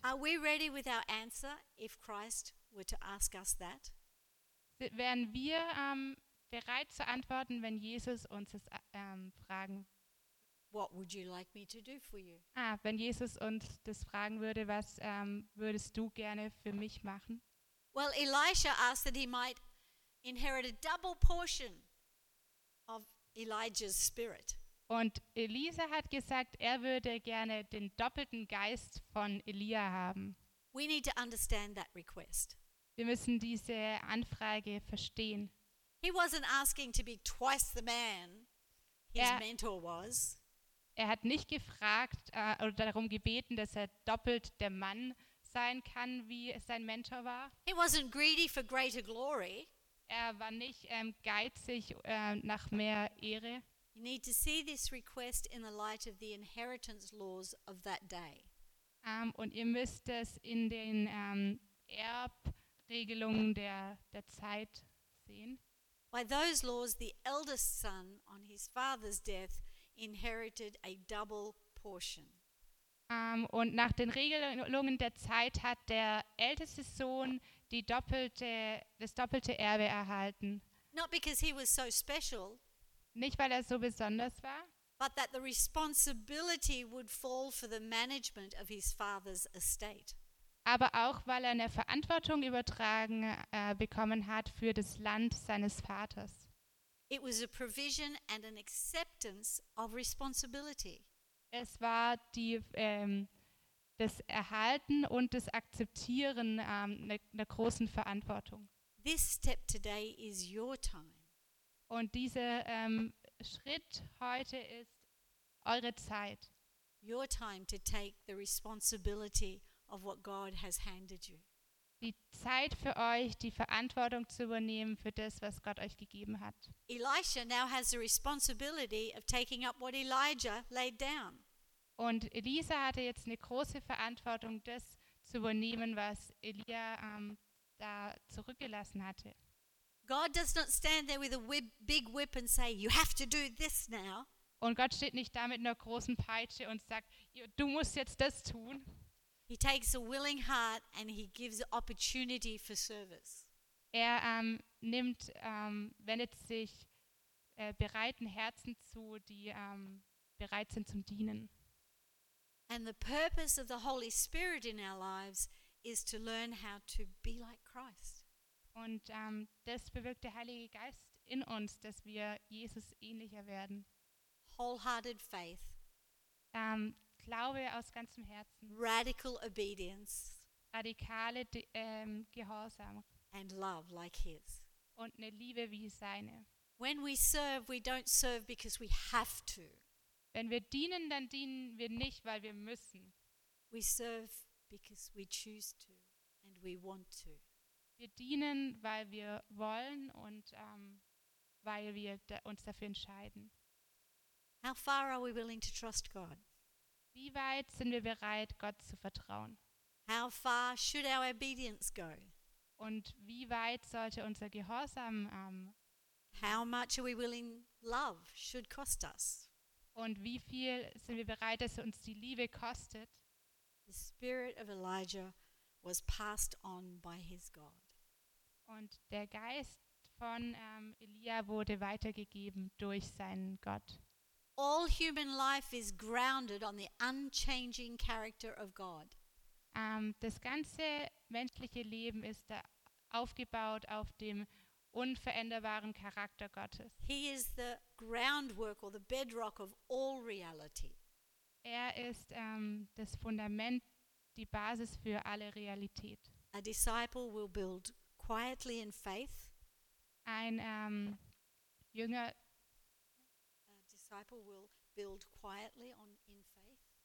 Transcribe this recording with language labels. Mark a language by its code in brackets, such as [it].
[en] Are we ready with our answer if Christ were to ask us that? [de] Wären wir bereit zu antworten, wenn Jesus uns es fragen würde? [en] What would you like me to do for you? [de] Wenn Jesus uns das fragen würde, was würdest du gerne für mich machen? [en] Well, Elisha asked that he might inherit a double portion of Elijah's spirit. [de] Und Elisa hat gesagt, er würde gerne den doppelten Geist von Elia haben. [en] We need to understand that request. [de] Wir müssen diese Anfrage verstehen. [en] He wasn't asking to be twice the man his mentor was. [de] Er hat nicht gefragt oder darum gebeten, dass er doppelt der Mann sein kann, wie es sein Mentor war. [en] He wasn't greedy for greater glory. [de] Er war nicht geizig nach mehr Ehre. [en] You need to see this request in the light of the inheritance laws of that day. [de] Und ihr müsst es in den Erbregelungen der Zeit sehen. [en] By those laws, the eldest son on his father's death inherited a double portion. [de] Und nach den Regelungen der Zeit hat der älteste Sohn das doppelte Erbe erhalten. [en] Not because he was so special. [de] Nicht weil er so besonders war. [en] But that the responsibility would fall for the management of his father's estate. [de] Aber auch weil er eine Verantwortung übertragen bekommen hat für das Land seines Vaters. [en] It was a provision and an acceptance of responsibility. [de] Es war die das Erhalten und das Akzeptieren einer großen Verantwortung. [en] This step today is your time. [de] Und dieser Schritt heute ist eure Zeit. [en] Your time to take the responsibility of what God has handed you. [de] Die Zeit für euch, die Verantwortung zu übernehmen für das, was Gott euch gegeben hat. [en] Elisha now has the responsibility of taking up what Elijah laid down. [de] Und Elisa hatte jetzt eine große Verantwortung, das zu übernehmen, was Elia da zurückgelassen hatte. [en] God does not stand there with a big whip and say, you have to do this now. [de] Und Gott steht nicht da mit einer großen Peitsche und sagt, du musst jetzt das tun. [en] He takes a willing heart and he gives opportunity for service. [de] Er wendet sich bereiten Herzen zu, die bereit sind zum Dienen. [en] And the purpose of the Holy Spirit in our lives is to learn how to be like Christ. [de] Und das bewirkt der Heilige Geist in uns, dass wir Jesus ähnlicher werden. [en] Wholehearted faith. [de] Glaube aus ganzem Herzen. [en] Radical obedience. [de] Radikale Gehorsam. [en] And love like his. [de] Und eine Liebe wie seine. [en] When we serve, we don't serve because we have to. [de] Wenn wir dienen, dann dienen wir nicht, weil wir müssen. [en] We serve because we choose to and we want to. [de] Wir dienen, weil wir wollen und weil wir uns dafür entscheiden. [en] How far are we willing to trust God? [de] Wie weit sind wir bereit, Gott zu vertrauen? [en] How far should our obedience go? [de] Und wie weit sollte unser Gehorsam [en] How much are we willing love should cost us? [de] Und wie viel sind wir bereit, dass uns die Liebe kostet? [en] The spirit of Elijah was passed on by his God. [de] Und der Geist von Elia wurde weitergegeben durch seinen Gott. [en] All human life is grounded on the unchanging character of God. [de] Das ganze menschliche Leben ist da aufgebaut auf dem unveränderbaren Charakter Gottes. [en] He is the groundwork or the bedrock of all reality. [de] Er ist das Fundament, die Basis für alle Realität. [en] A disciple will build quietly in faith. [de] Ein Jünger. [en] A disciple will build quietly on in faith.